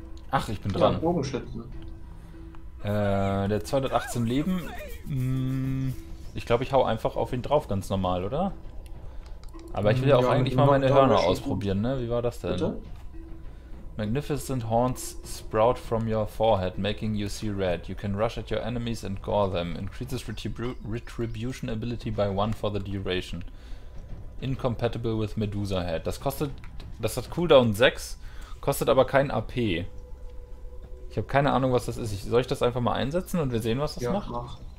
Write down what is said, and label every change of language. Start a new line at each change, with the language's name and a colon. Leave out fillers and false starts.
German: Ach, ich bin dran. Ja, Bogenschützen. Der 218 Leben. Ich glaube, ich hau einfach auf ihn drauf, ganz normal, oder? Aber ich will ja auch eigentlich mal meine Hörner ausprobieren, ne? Wie war das denn? Bitte?
English: Magnificent horns sprout from your forehead, making you see red. You can rush at your enemies and gore them. Increases retribution ability by one for the duration. Incompatible with Medusa Head.
German: Das hat Cooldown 6, kostet aber kein AP. Ich habe keine Ahnung, was das ist. Soll ich das einfach mal einsetzen und wir sehen, was das macht? Ja, mach.